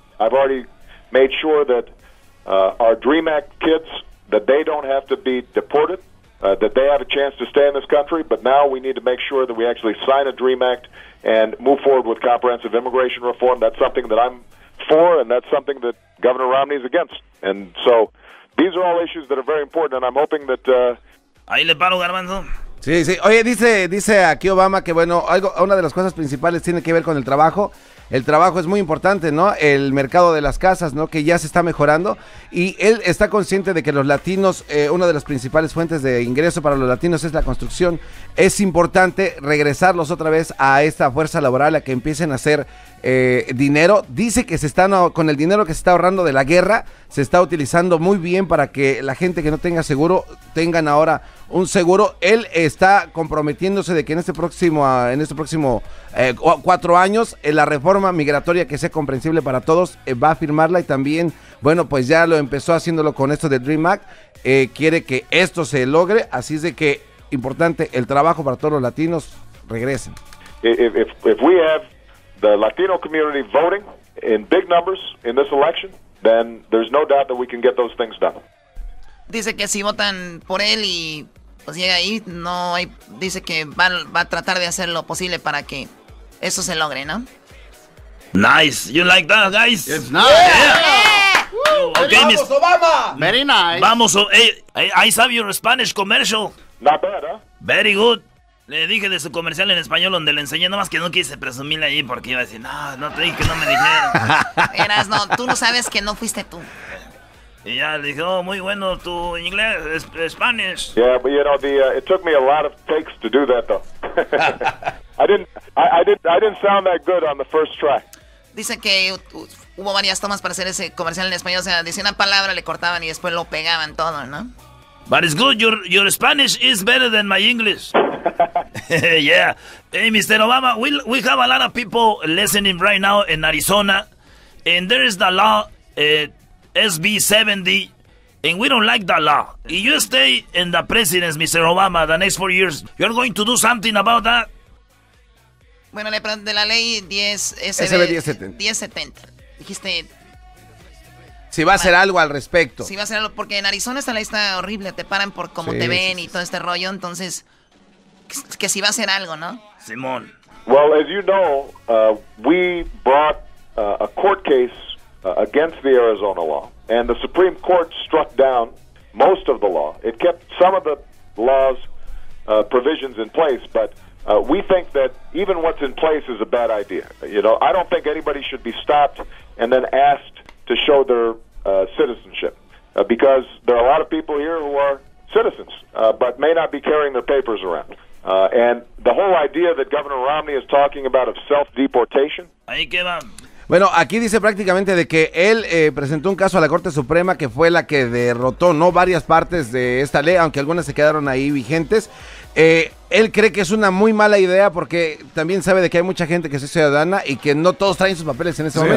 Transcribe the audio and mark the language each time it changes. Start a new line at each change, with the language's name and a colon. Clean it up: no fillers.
English: I've already made sure that our DREAM Act kids, that they don't have to be deported, that they have a chance to stay in this country, but now we need to make sure that we actually sign a DREAM Act and move forward with comprehensive immigration reform. That's something that I'm for, and that's something that Governor Romney is against. And so these are all issues that are very important, and I'm hoping that...
Spanish: Ahí le paro, Garbanzo. Sí, sí. Oye, dice aquí Obama que, bueno, algo, una de las cosas principales tiene que ver con el trabajo. El trabajo es muy importante, ¿no? El mercado de las casas, ¿no? Que ya se está mejorando. Y él está consciente de que los latinos, una de las principales fuentes de ingreso para los latinos es la construcción. Es importante regresarlos otra vez a esta fuerza laboral, a que empiecen a hacer dinero. Dice que se están con el dinero que se está ahorrando de la guerra, se está utilizando muy bien para que la gente que no tenga seguro tengan ahora un seguro. Él está comprometiéndose de que en este próximo 4 años, la reforma migratoria que sea comprensible para todos, va a firmarla. Y también, bueno, pues ya lo empezó haciéndolo con esto de Dream Act. Quiere que esto se logre, así es de que importante el trabajo para todos los latinos regresen.
English: If we have the Latino community voting in big numbers in this election, then there's no doubt that we can get those things done.
Spanish: Dice que si votan por él y pues llega ahí, no hay, dice que va a tratar de hacer lo posible para que eso se logre, ¿no?
English: Nice. You like that, guys? It's nice. Yeah. Yeah. Okay, ¡vamos, Obama! Very nice. Vamos, I saw your Spanish commercial. Not bad, Very good.
Spanish: Le dije de su comercial en español donde le enseñé, nomás que no quise presumirle ahí porque iba a decir, no te dije que no me dijeron. Eras, no, tú no sabes que no fuiste tú. Y ya le dije, muy bueno tu inglés, Spanish.
English: Yeah, but you know, it took me a lot of takes to do that, though. I didn't sound that good on the first try.
Spanish: Dice que hubo varias tomas para hacer ese comercial en español, o sea, decía una palabra, le cortaban y después lo pegaban todo, ¿no?
English: But it's good, your Spanish is better than my English. Yeah. Hey, Mr. Obama, we have a lot of people listening right now in Arizona, and there is the law, SB 70, and we don't like that law. If you stay in the presidency, Mr. Obama, the next 4 years, you're going to do something about that?
Spanish: Bueno, de la ley 10... SB 1070. Dijiste... si va a hacer algo al respecto. Si va a hacer algo, porque en Arizona está la lista horrible, te paran por cómo te ven y todo este rollo, entonces, que si va a hacer algo, ¿no? Simón.
English: Well, as you know, we brought a court case against the Arizona law, and the Supreme Court struck down most of the law. It kept some of the law's provisions in place, but we think that even what's in place is a bad idea. You know, I don't think anybody should be stopped and then asked to show their citizenship, because there are a lot of people here who are citizens, but may not be carrying their papers around. And the whole idea that Governor Romney is talking about of self-deportation.
Spanish: Ahí quedan. Bueno, aquí dice prácticamente de que él presentó un caso a la Corte Suprema que fue la que derrotó, ¿no?, varias partes de esta ley, aunque algunas se quedaron ahí vigentes. Él cree que es una muy mala idea porque también sabe de que hay mucha gente que es ciudadana y que no todos traen sus papeles en ese momento.